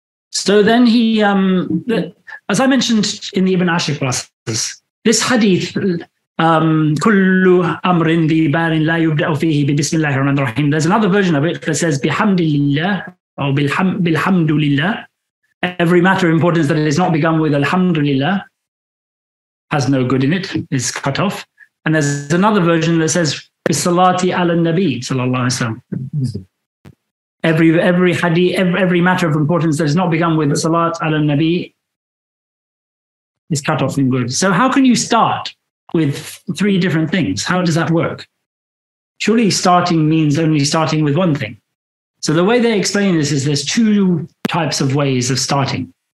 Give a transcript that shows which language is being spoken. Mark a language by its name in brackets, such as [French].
[English] So then he, as I mentioned in the Ibn Ashir classes, this hadith, [Arabic] كُلُّ أَمْرٍ بِبَارٍ لَا يُبْدَأُ فِيهِ بِبِسْمِ اللَّهِ الرَّحْمَنِ الرَّحِيمِ, [English] there's another version of it that says [Arabic] بِحَمْدِ اللَّهِ [English] or [Arabic] بِالْحَمْدُ لِلَّهِ, [English] every matter of importance that is not begun with Alhamdulillah has no good in it, is cut off. And there's another version that says [Arabic] بِالصَّلَاةِ عَلَى النَّبِيِّ صلى الله عليه وسلم. [English] Every hadith, every matter of importance that is not begun with Salat ala Nabi is cut off in good. So how can you start with three different things? How does that work? Surely starting means only starting with one thing. So the way they explain this is there's two types of ways of starting.